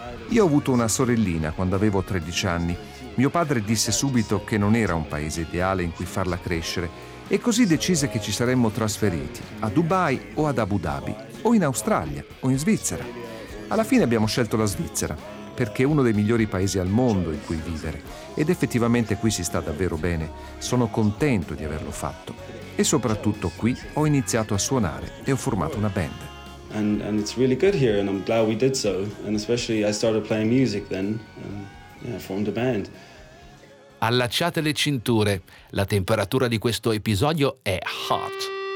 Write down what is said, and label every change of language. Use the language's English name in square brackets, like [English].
[Italian] Io ho avuto una sorellina quando avevo 13 anni. Mio padre disse subito che non era un paese ideale in cui farla crescere e così decise che ci saremmo trasferiti a Dubai o ad Abu Dhabi o in Australia o in Svizzera. Alla fine abbiamo scelto la Svizzera perché è uno dei migliori paesi al mondo in cui vivere ed effettivamente qui si sta davvero bene. Sono contento di averlo fatto. E soprattutto qui ho iniziato a suonare e ho formato una band. [English] And it's really good here and I'm glad we did so. And especially I started playing music then and yeah, formed a band. [Italian] Allacciate le cinture. La temperatura di questo episodio è hot.